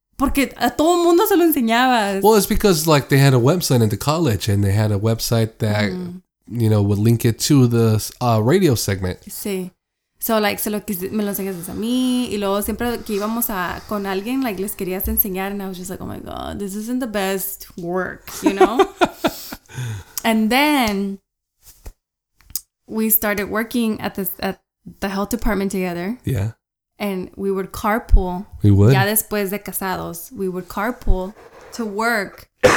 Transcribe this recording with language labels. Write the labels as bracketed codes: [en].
[es] Porque a todo el mundo se lo enseñabas. [en] Well, it's because like they had a website in the college and they had a website that, mm-hmm. You know, would link it to the radio segment. [es] Sí. So, like, se lo quis, me lo enseñas a mí. Y luego, siempre que íbamos a, con alguien, like, les querías enseñar. [en] And I was just like, oh my God, this isn't the best work, you know? And then, we started working at the health department together. Yeah. And we would carpool. We would. [es] Ya después de casados, [en] we would carpool to work.